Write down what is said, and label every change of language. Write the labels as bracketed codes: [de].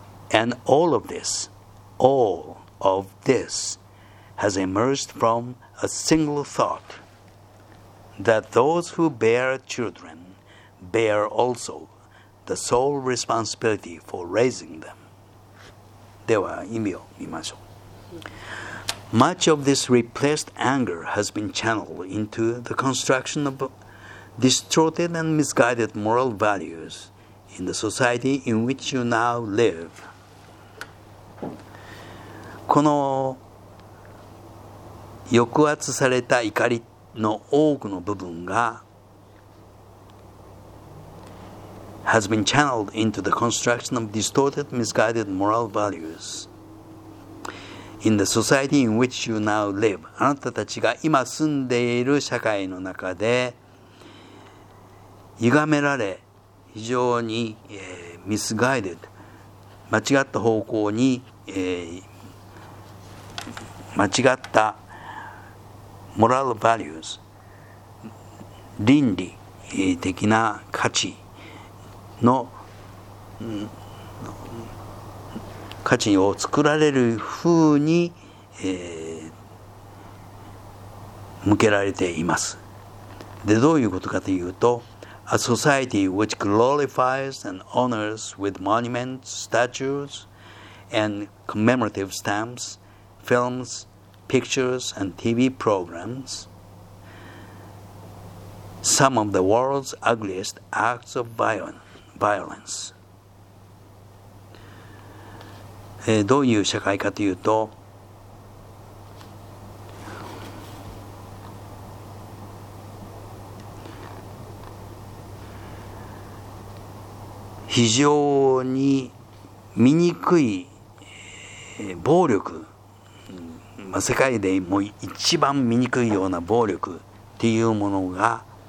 [en] And all of this, all of this, has emerged from a single thought, that those who bear children bear also the sole responsibility for raising them. [ja] では意味を見ましょう。 [en] Much of this repressed anger has been channeled into the construction of distorted and misguided moral values in the society in which you now live. [ja] この抑圧された怒りの多くの部分が [en] has been channeled into the construction of distorted, misguided moral values in the society in which you now live. [ja] あなたたちが今住んでいる社会の中で歪められ、非常に、misguided、間違った方向に、間違った moral values、倫理的な価値の価値を作られるふうに、向けられています。で、どういうことかというと、 [en] A society which glorifies and honors with monuments, statues, and commemorative stamps, films, pictures, and TV programs, some of the world's ugliest acts of violence. [ja] どういう社会かというと、非常に醜い暴力、まあ、世界でも一番醜いような暴力っていうものが、